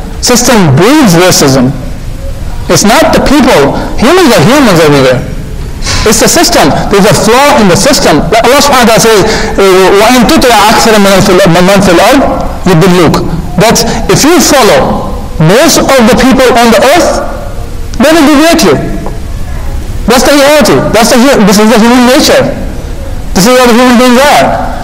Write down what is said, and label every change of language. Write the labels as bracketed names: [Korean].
[English] System breeds racism. It's not the people. Humans are humans everywhere. It's the system. There's a flaw in the system. Allah subhanahu wa ta'ala says, [Arabic] وَإِن تُطِعَ أَكْثَرَ مَنْ فِي الْأَرْضِ يُضِلُّوكَ. [English] That if you follow most of the people on the earth, they will deviate you. That's the reality. This is the human nature. This is what the human beings are.